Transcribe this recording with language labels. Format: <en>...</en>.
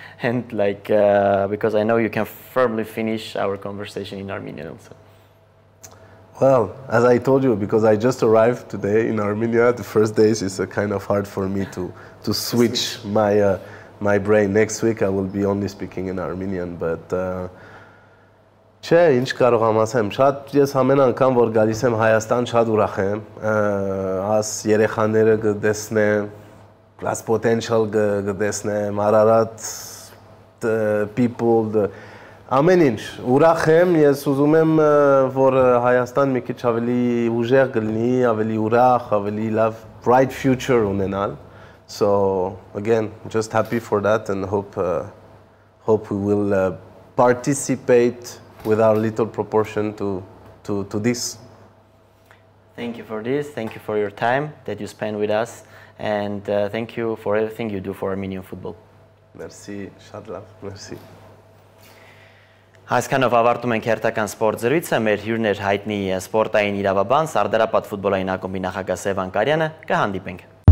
<en>And like, because I know you can firmly finish our conversation in Armenian also. Well, as I told you, because I just arrived today in Armenia, the first days is kind of hard for me to switch my brain. Next week, I will be only speaking in Armenian, but...</en> <hy>Չէ, ինչ կարող եմ ասեմ, շատ ես ամեն անգամ, որ գալիս եմ Հայաստան, շատ ուրախ եմ, աս երեխաները կտեսնեմ, աս potential կտեսնեմ, Արարատ,</hy> <en>the people, the...</en> <hy>ամեն ինչ, ուրախ եմ, ես ուզում եմ, որ Հայաստան մի քիչ ավելի ուժեղ կլինի, ավելի ուրախ, ավելի լավ,</hy> <en>bright future</en> <hy>ունենալ.</hy> <en>So, again, just happy for that and hope we will participate with our little proportion to this. Thank you for this. Thank you for your time that you spend with us. And thank you for everything you do for Armenian football.</en> <hy>Merci, Shadlav. Merci. Այսքանով ավարտում ենք հերթական սպորտ զրույցը, մեր հյուրներ հայտնի սպորտային իրավաբան, սարդարապատ ֆուտբոլային ակումբի նախագահ Սևան Կարյանը, կհանդիպենք։</hy>